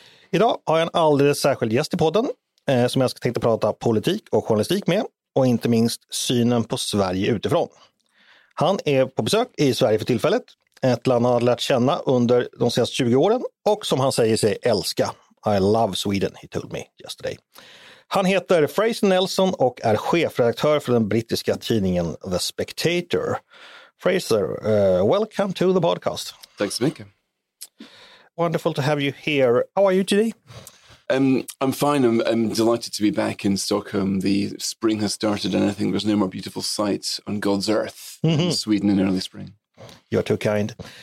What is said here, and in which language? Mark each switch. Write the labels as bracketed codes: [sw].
[sv] Idag har jag en alldeles särskild gäst i podden som jag ska tänka prata politik och journalistik med, och inte minst synen på Sverige utifrån. Han är på besök i Sverige för tillfället, ett land han har lärt känna under de senaste 20 åren och som han säger sig älska. [en] I love Sweden, he told me yesterday. [sv] Han heter Fraser Nelson och är chefredaktör för den brittiska tidningen The Spectator. [en] Fraser, welcome to the podcast. Thanks so much. Wonderful to have you here. How are you today? I'm fine. I'm delighted to be back in Stockholm. The spring has started, and I think there's no more beautiful sight on God's earth than Sweden in early spring. You're too kind.